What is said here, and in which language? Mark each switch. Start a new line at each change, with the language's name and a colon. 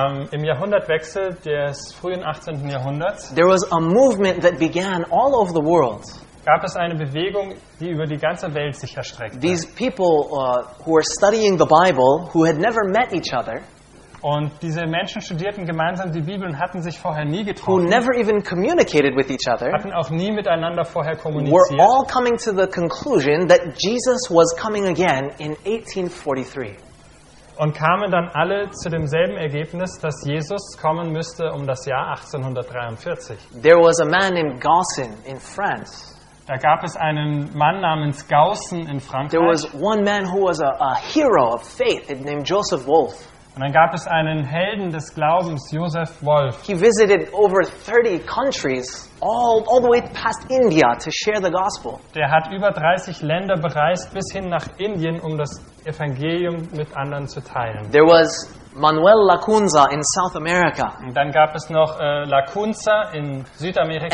German: Im Jahrhundertwechsel des frühen 18. Jahrhunderts.
English: There was a movement that began all over the world.
German: Gab es eine Bewegung, die über die ganze Welt sich erstreckte.
English: These people who were studying the Bible, who had never met each other.
German: Und diese Menschen studierten gemeinsam die Bibel und hatten sich vorher nie getroffen.
English: Who never even communicated with each other.
German: Hatten auch nie miteinander vorher kommuniziert.
English: Were all coming to the conclusion that Jesus was coming again in 1843.
German: Und kamen dann alle zu demselben Ergebnis, dass Jesus kommen müsste um das Jahr 1843.
English: There was a man named Gaussin in France.
German: Da gab es einen Mann namens Gaussin in Frankreich.
English: There was one man who was a hero of faith named Joseph Wolff.
German: Und dann gab es einen Helden des Glaubens, Joseph Wolff.
English: He visited over 30 countries, all the way past India, to share the gospel.
German: Der hat über 30 Länder bereist, bis hin nach Indien, um das Evangelium mit anderen zu teilen.
English: There was Manuel Lacunza in South America.
German: Und dann gab es noch Lacunza in Südamerika.